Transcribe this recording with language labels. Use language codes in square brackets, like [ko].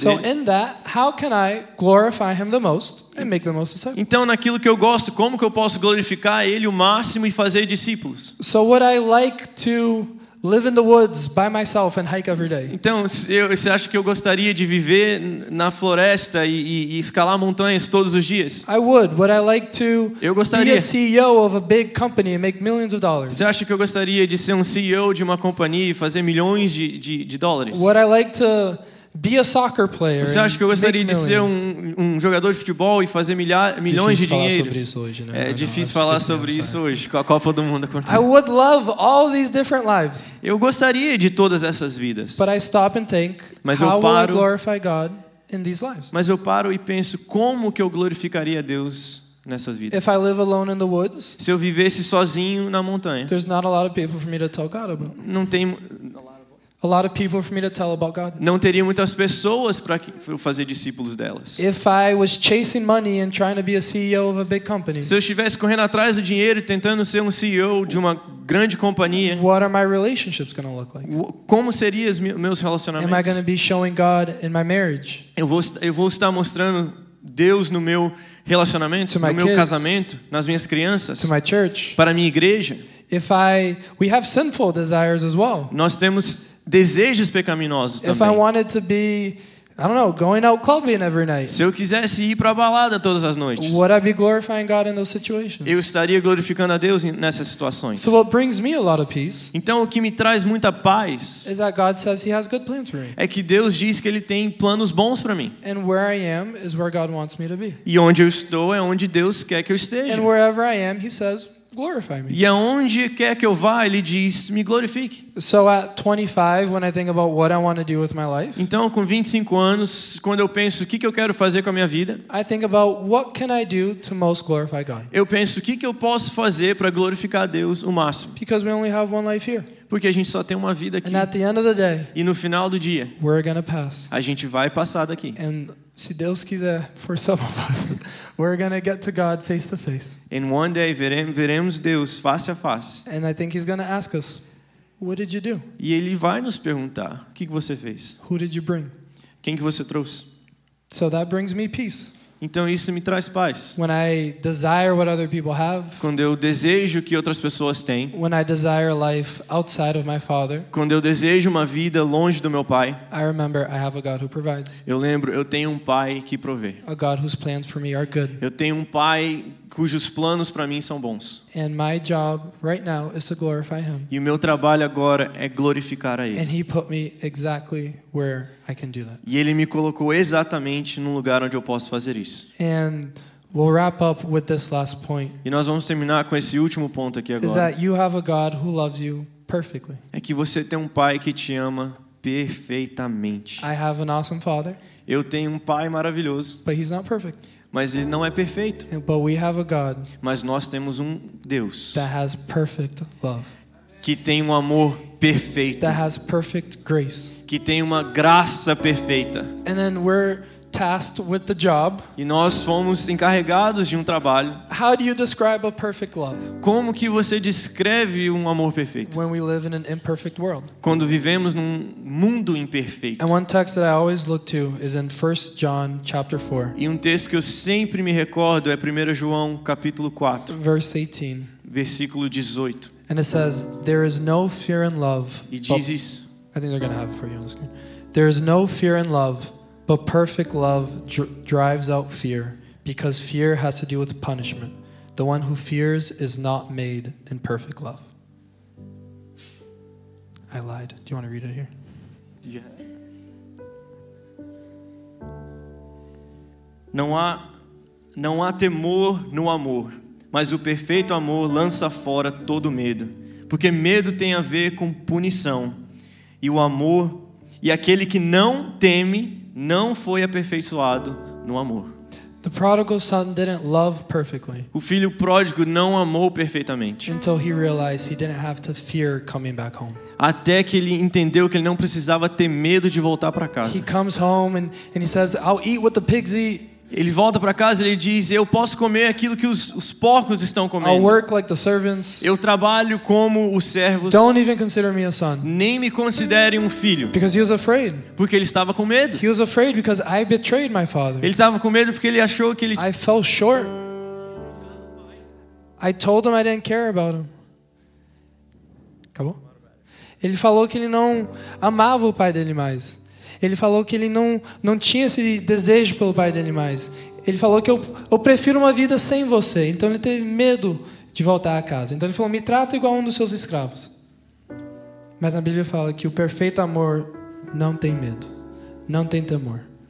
[en] so [pt] dele. [en] So in that, how can I glorify him the most? And make the most disciples. [pt] Então, naquilo que eu gosto, como que eu posso glorificar Ele o máximo e fazer discípulos? [en] So would I like to live in the woods by myself and hike every day? [pt] Então, você acha que eu gostaria de viver na floresta e escalar montanhas todos os dias? [en] I would. Would I like to [pt] eu gostaria. [en] Be a CEO of a big company and make millions of dollars? [pt] Você acha que eu gostaria de ser CEO de uma companhia e fazer milhões de dólares? [en] Would I like to be a soccer player. [pt] Você acha que eu gostaria de ser jogador de futebol e fazer milhões de dinheiro? É difícil falar sobre isso hoje, com a Copa do Mundo acontecendo. [en] I would love all these different lives. [pt] Eu gostaria de todas essas vidas. [en] But I stop and think, how will I glorify God in these lives? [pt] Mas eu paro e penso, como que eu glorificaria Deus nessas vidas? [en] If I live alone in the woods, [pt] se eu vivesse sozinho na montanha, [en] there's not a lot of people for me to talk out about. [pt] Não tem [en] a lot of people for me to tell about God. [pt] Não teria muitas pessoas para fazer discípulos delas. [en] If I was chasing money and trying to be a CEO of a big company. [pt] Se eu estivesse correndo atrás do dinheiro e tentando ser CEO de uma grande companhia. [en] What are my relationships going to look like? [pt] Como seriam os meus relacionamentos? [en] Am I going to be showing God in my marriage? [pt] Eu vou estar mostrando Deus no meu relacionamento, [en] to my [pt] no meu [en] kids, [pt] casamento, nas minhas crianças, [en] to my church. [pt] Para minha igreja. [en] If I we have sinful desires as well. [pt] Nós temos desejos pecaminosos também. [en] If I wanted to be, I don't know, going out clubbing every night. [pt] Se eu quisesse ir para balada todas as noites. [en] Would I be glorifying God in those situations? [pt] Eu estaria glorificando a Deus nessas situações. [en] So what brings me a lot of peace? [pt] Então o que me traz muita paz? [en] Is that God says he has good plans for me. [pt] É que Deus diz que ele tem planos bons para mim. [en] And where I am is where God wants me to be. [pt] E onde eu estou é onde Deus quer que eu esteja. [en] And wherever I am, he says glorify me. [pt] E aonde quer que eu vá, ele diz, me glorifique. [en] So at 25, when I think about what I want to do with my life. [pt] Então, com 25 anos, quando eu penso o que que eu quero fazer com a minha vida. [en] I think about what can I do to most glorify God. [pt] Eu penso o que que eu posso fazer para glorificar a Deus o máximo. [en] Because we only have one life here. [pt] Porque a gente só tem uma vida aqui. [en] And at the end of the day. [pt] E no final do dia. [en] We're gonna pass. [pt] A gente vai passar daqui. [en] And [pt] se Deus quiser, [en] for some of us, we're gonna get to God face to face. In one day, [pt] veremos Deus face a face. [en] And I think He's gonna ask us, what did you do? [pt] E Ele vai nos perguntar, o que você fez? [en] Who did you bring? [pt] Quem que você trouxe? [en] So that brings me peace. [pt] Então isso me traz paz. [en] When I desire what other people have. [pt] Quando eu desejo o que outras pessoas têm. [en] When I desire life outside of my father. [pt] Quando eu desejo uma vida longe do meu pai. [en] I remember I have a God who provides. [pt] Eu lembro, eu tenho pai que provê. [en] A God whose plans for me are good. [pt] Eu tenho pai cujos planos para mim são bons. [en] And my job right now is to glorify him. [pt] E o meu trabalho agora é glorificar a ele. [en] And he put me exactly where I can do that. [pt] E ele me colocou exatamente no lugar onde eu posso fazer isso. [en] And We'll wrap up with this last point. [pt] E nós vamos terminar com esse último ponto aqui agora. [en] Is that you have a God who loves you perfectly. [pt] É que você tem um pai que te ama perfeitamente. [en] I have an awesome father. [pt] Eu tenho um pai maravilhoso. [en] But he's not perfect. [pt] Mas ele não é perfeito. [en] But we have a God. [pt] Mas nós temos um Deus. [en] That has perfect love. [pt] Que tem um amor perfeito. [en] That has perfect grace. [pt] Que tem uma graça perfeita. [en] And then we're tasked with the job. [pt] E nós fomos encarregados de um trabalho. [en] How do you describe a perfect love? [pt] Como que você descreve um amor perfeito? [en] When we live in an imperfect world. [pt] Quando vivemos num mundo imperfeito. [en] And one text that I always look to is in 1 John chapter 4. [pt] E texto que eu sempre me recordo é 1 João capítulo 4. [en] Verse 18. [pt] Versículo 18. [en] And it says, "There is no fear in love." [pt] E diz isso. [en] I think they're going to have it for you on the screen. There is no fear in love, but perfect love drives out fear, because fear has to do with punishment. The one who fears is not made in perfect love. I lied. Do you want to read it here? Yeah. [pt] Não há temor no amor, mas o perfeito amor lança fora todo medo, porque medo tem a ver com punição. E o amor, e aquele que não teme, não foi aperfeiçoado no amor. [en] The prodigal son didn't love perfectly. [pt] O filho pródigo não amou perfeitamente. [en] Until he realized he didn't have to fear coming back home. [pt] Até que ele entendeu que ele não precisava ter medo de voltar para casa. [en] He comes home and he says, "I'll eat what the pigs eat." [pt] Ele volta para casa e ele diz: "Eu posso comer aquilo que os porcos estão comendo." [en] I'll work like the servants. [pt] Eu trabalho como os servos. [en] Don't even consider me a son. [pt] Nem me considere um filho. [en] Because he was afraid. [pt] Porque ele estava com medo. [en] He was afraid because I betrayed my father. [pt] Ele estava com medo porque ele achou que ele. [en] I fell short. I told him I didn't care about him. [pt] Acabou? Ele falou que ele não amava o pai dele mais. Ele falou que ele não tinha esse desejo pelo pai dele mais. Ele falou que eu prefiro uma vida sem você. Então ele teve medo de voltar à casa. Então ele falou: "Me trata igual um dos seus escravos." Mas a Bíblia fala que o perfeito amor não tem medo. Não tem temor.